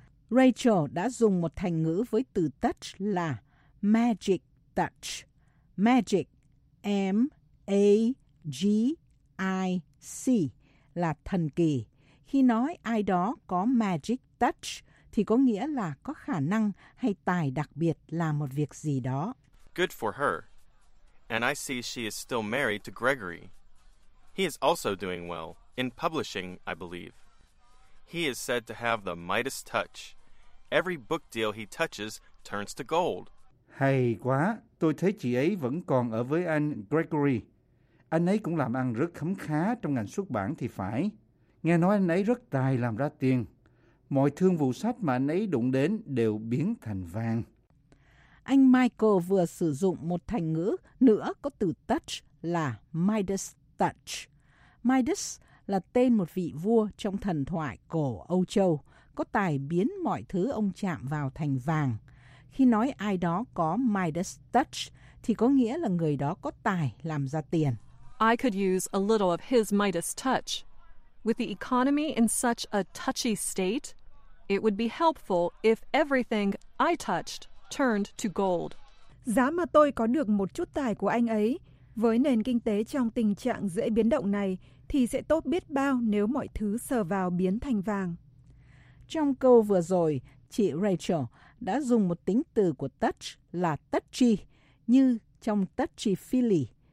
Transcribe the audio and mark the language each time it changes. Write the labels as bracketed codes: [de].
[vi] Rachel đã dùng một thành ngữ với từ touch là magic touch. Magic, M-A-G-I-C, là thần kỳ. Khi nói ai đó có magic touch thì có nghĩa là có khả năng hay tài đặc biệt làm một việc gì đó. [en] Good for her. And I see she is still married to Gregory. He is also doing well in publishing, I believe. He is said to have the Midas touch. Every book deal he touches turns to gold. [vi] Hay quá, tôi thấy chị ấy vẫn còn ở với anh Gregory. Anh ấy cũng làm ăn rất khấm khá trong ngành xuất bản thì phải. Nghe nói anh ấy rất tài làm ra tiền. Mọi thương vụ sách mà anh ấy đụng đến đều biến thành vàng. Anh Michael vừa sử dụng một thành ngữ nữa có từ touch là Midas touch. Midas là tên một vị vua trong thần thoại cổ Âu Châu, có tài biến mọi thứ ông chạm vào thành vàng. Khi nói ai đó có Midas touch thì có nghĩa là người đó có tài làm ra tiền. [en] I could use a little of his Midas touch. With the economy in such a touchy state, it would be helpful if everything I touched turned to gold. [vi] Giá mà tôi có được một chút tài của anh ấy, với nền kinh tế trong tình trạng dễ biến động này, thì sẽ tốt biết bao nếu mọi thứ sờ vào biến thành vàng. Trong câu vừa rồi, chị Rachel đã dùng một tính từ của touch là touchy, như trong touchy-feely.